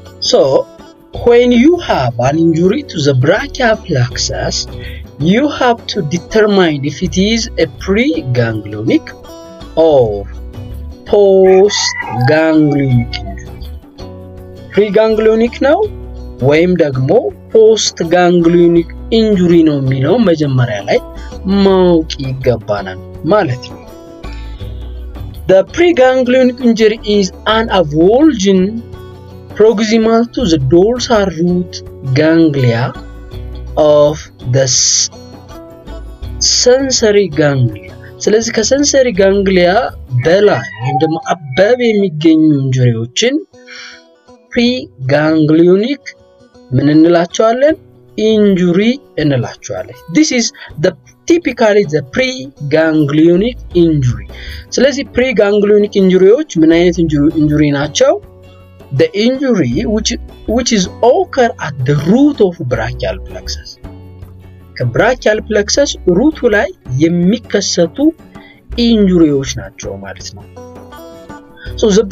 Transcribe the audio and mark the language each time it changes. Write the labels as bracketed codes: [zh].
[en] so when you have an injury to the brachial plexus you have to determine if it is a preganglionic or postganglionic preganglionic [am] ነው ወይም ደግሞ postganglionic injury ነው የሚለው መጀመሪያ ላይ ማውቂ ይገባናል ማለት ነው [en] The preganglionic injury is an avulsion proximal to the dorsal root ganglia of the sensory ganglia. [am] ስለዚህ ከsensory ganglia በላይ ወይም ደግሞ አባብ የሚገኙ injuries preganglionic ምን እንላቸዋለን? Injury እንላቸዋለን. [en] This is the typically the preganglionic injury [am] ስለዚህ preganglionic injuryዎች ምን አይነት injury ናቸው [en] the injury which is occur at the root of brachial plexus [am] ከbrachial plexus root ላይ የሚከሰቱ injuryዎች ናቸው ማለት ነው [en] so